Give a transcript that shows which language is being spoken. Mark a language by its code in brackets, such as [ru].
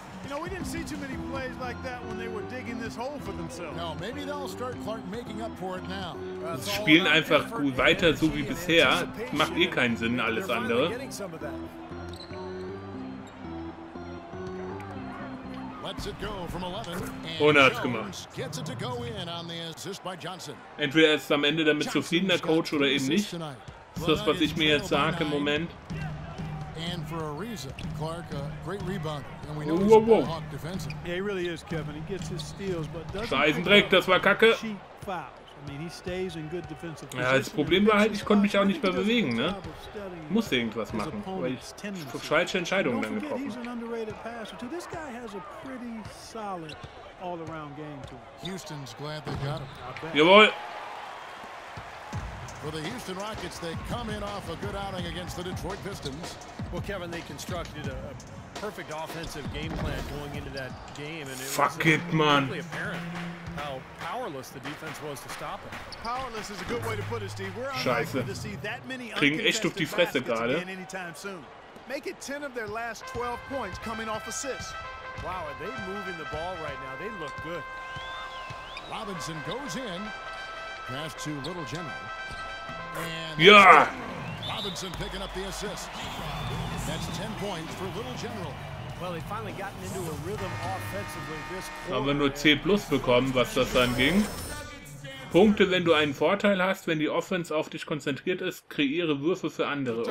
[en] You know, we didn't see too many plays like that when they were digging this hole for themselves. No, maybe they'll start Clark making up for it now. [de] Sie spielen einfach gut weiter so wie bisher. Macht eh keinen Sinn alles andere. [en] lets it go from 11. [de] Ohne hat's gemacht. [en] Gets it to go in on the assist by Johnson. [de] Entweder ist am Ende damit zufriedener Coach oder eben nicht. Das ist das, was ich mir jetzt sage im Moment. [en] And for a reason, Clark, a great rebound. And we know he's a good Hawk defensive. Yeah, he really is, Kevin. He gets his steals, but doesn't. [de] Scheißen Dreck, das war Kacke. [en] I mean, he stays in good defensive [de] position. Ja, das Problem war halt, ich konnte mich auch nicht mehr bewegen, ne? Musste irgendwas machen, weil ich falsche Entscheidungen dann getroffen habe. [en] He's an underrated passer too. This guy has a pretty solid all-around game to him. Houston's glad they got him. [de] Jawohl. [en] For the Houston Rockets, they come in off a good outing against the Detroit Pistons. Well, Kevin, they constructed a perfect offensive game plan going into that game, and it fuck was it, man. Apparent how powerless the defense was to stop him. Powerless is a good way to put it, Steve. We're unlikely to see that many uncontested baskets anytime soon. Make it 10 of their last 12 points coming off assists. Wow, are they moving the ball right now? They look good. Robinson goes in. Pass to Little General. And yeah. Robinson picking up the assist. That's 10 points for Little General. Well, they finally gotten into a rhythm offensively this quarter. [de] Haben wir nur C plus bekommen, was das dann ging. Punkte, wenn du einen Vorteil hast, wenn die Offense auf dich konzentriert ist, kreiere Würfe für andere.